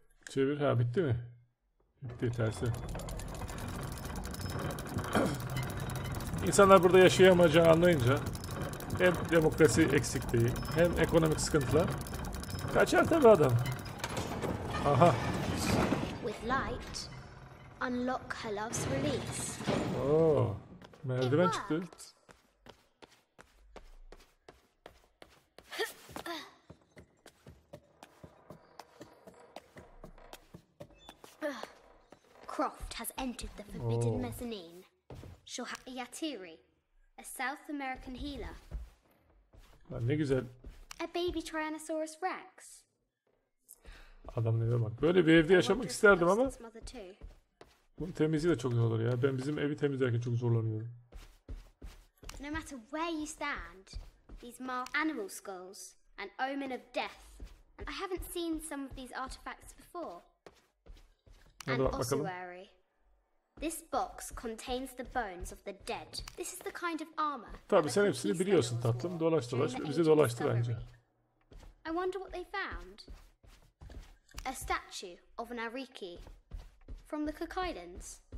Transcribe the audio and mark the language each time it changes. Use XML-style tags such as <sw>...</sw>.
<tr>Çevir. Ha bitti mi? Bitti. Tersi. İnsanlar burada yaşayamayacağını anlayınca hem demokrasi eksikliği hem ekonomik sıkıntılar kaçar tabi adam. Aha.</tr> <en>With light, unlock her love's release.</en> <tr>Oo, merdiven çıktı.</tr> <en>Croft has entered the forbidden mezzanine. She'll have Yatiri, a South American healer.</en> <tr>Ne güzel.</tr> <en>A baby Tyrannosaurus Rex.</en> <tr>Adam neye bak. Böyle bir evde yaşamak isterdim ama. Bunun temizliği de çok zor olur ya. Ben bizim evi temizlerken çok zorlanıyorum.</tr> <en>No matter where you stand, these marked animal skulls, an omen of death. And I haven't seen some of these artifacts before.</en> <tr>Hadi bak bakalım. Ossuary.</tr> <en>This box contains the bones of the dead. This is the kind of armor.</en> <tr>Tabii sen hepsini biliyorsun tatlım. Dolaş dolaş bizi dolaştı bence.</tr> <en>I wonder what they found. A statue of an Ariki from the Cook Islands.</en>